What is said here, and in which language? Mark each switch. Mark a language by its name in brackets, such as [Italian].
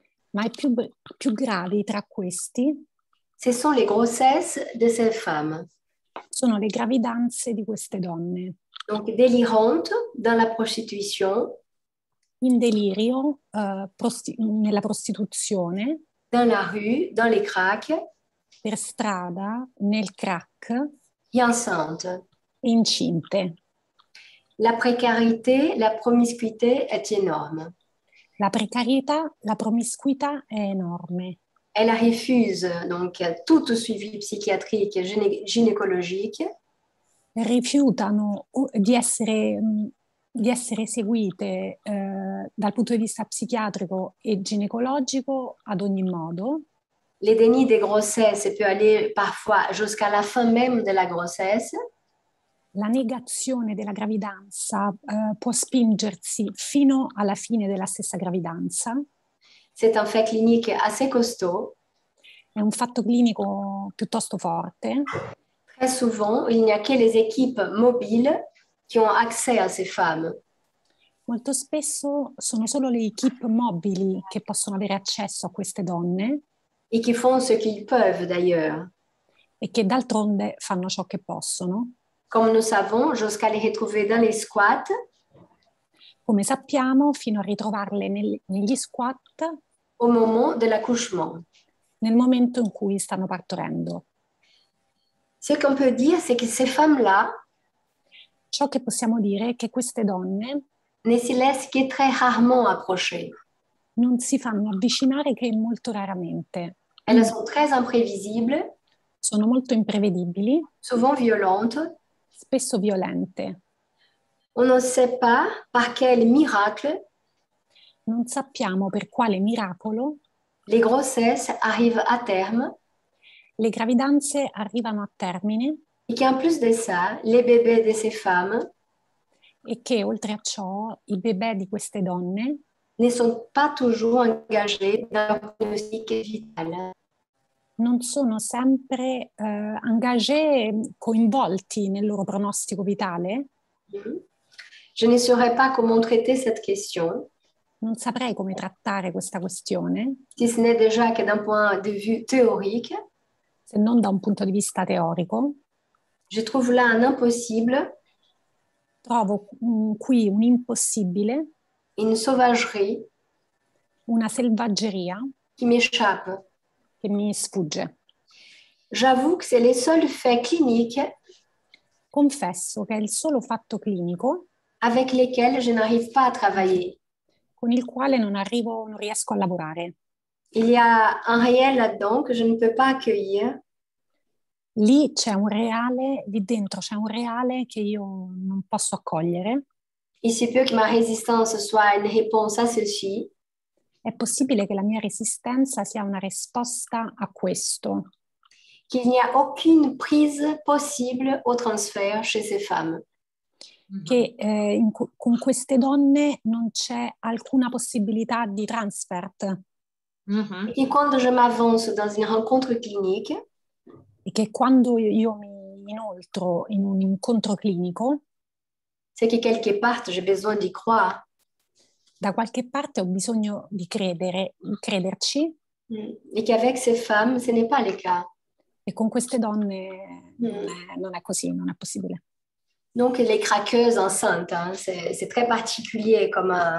[Italian] ma i più gravi tra questi, [French] ce sont les grossesses de ces femmes, [Italian] sono le gravidanze di queste donne, [French] donc délirantes dans la prostitution. [Italian] In delirio, nella prostituzione, [French] dans la rue, dans les cracks, [Italian] per strada, nel crack, [French] et enceinte, [Italian] e incinte. [French] La précarité, la promiscuité est énorme. [Italian] La precarietà, la promiscuità è enorme. [French] Elle refuse donc tout suivi psichiatrique et gynécologique. [Italian] Rifiutano di essere seguite dal punto di vista psichiatrico e ginecologico ad ogni modo. [French] Le déni de grossesse peut aller parfois jusqu'à la fin même de la grossesse. [Italian] La negazione della gravidanza può spingersi fino alla fine della stessa gravidanza. [French] C'est un fait clinique assez costaud. [Italian] È un fatto clinico piuttosto forte. [French] Très souvent, il n'y a que les équipes mobiles qui ont accès à ces femmes. [Italian] Molto spesso sono solo le équipes mobili che possono avere accesso a queste donne. [French] Et qui font ce qu'ils peuvent d'ailleurs. [Italian] E che d'altronde fanno ciò che possono. [French] Comme nous savons, jusqu'à les retrouver dans les squats. [Italian] Come sappiamo, fino a ritrovarle negli squat. [French] Au moment de l'accouchement. [Italian] Nel momento in cui stanno partorendo. [French] Ce qu'on peut dire, c'est que ces femmes-là. [Italian] Ciò che possiamo dire è che queste donne [French] ne si laissent que très rarement approcher. [Italian] Non si fanno avvicinare che molto raramente. [French] Elles sont très imprévisibles. [Italian] Sono molto imprevedibili. [French] Souvent violentes. [Italian] Spesso violente. [French] On ne sait pas par quel miracle. [Italian] Non sappiamo per quale miracolo. [French] Les grossesses arrivent à terme. [Italian] Le gravidanze arrivano a termine. [French] Et qu'en plus de ça, les bébés de ces femmes. [Italian] E che oltre a ciò, i bébé di queste donne. [French] Ne sont pas toujours engagés dans le pronostic vital. [Italian] Non sono sempre engagés, coinvolti nel loro pronostico vitale. [French] Je ne saurais pas comment traiter cette question. [Italian] Non saprei come trattare questa questione. [French] Si ce n'est déjà que d'un point de vue théorique. [Italian] Se non da un punto di vista teorico. [French] Je trouve là un impossible. [Italian] Trovo qui un impossibile. [French] Une sauvagerie. [Italian] Una selvaggeria. [French] Qui m'échappe. [Italian] Che mi sfugge. [French] J'avoue que c'est le seul fait clinique. [Italian] Confesso che è il solo fatto clinico. [French] Avec lequel je n'arrive pas à travailler. [Italian] Con il quale non riesco a lavorare. [French] Il y a un réel là-dedans que je ne peux pas accueillir. [Italian] Lì c'è un reale, lì dentro c'è un reale che io non posso accogliere. [French] Il se peut que ma résistance soit une réponse à ceci. [Italian] È possibile che la mia resistenza sia una risposta a questo. [French] Qu'il n'y a aucune prise possible au transfert chez ces femmes. [Italian] Che con queste donne non c'è alcuna possibilità di transfert. Mm-hmm. [French] Et quand je m'avance dans une rencontre clinique, [Italian] e che quando io mi inoltro in un incontro clinico, [French] c'est que quelque part j'ai besoin d'y croire. [Italian] Da qualche parte ho bisogno di credere, crederci. Mm. [French] Et qu'avec ces femmes, ce n'est pas le cas. [Italian] E con queste donne non è così, non è possibile. [French] Donc les craqueuses enceintes, hein, c'est très particulier comme